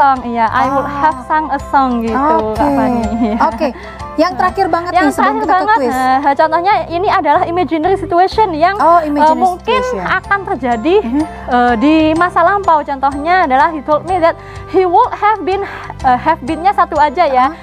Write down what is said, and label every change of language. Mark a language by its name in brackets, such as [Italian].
[English] I would have sung a song [Indonesian] gitu, Kak Fani. Okay. Yang terakhir banget yang nih sebelum kita banget, [English] quiz. [Indonesian] Contohnya ini adalah imaginary situation yang mungkin situation akan terjadi di masa lampau. Contohnya adalah [English] he told me that he would have been have been-nya [Indonesian] satu aja ya.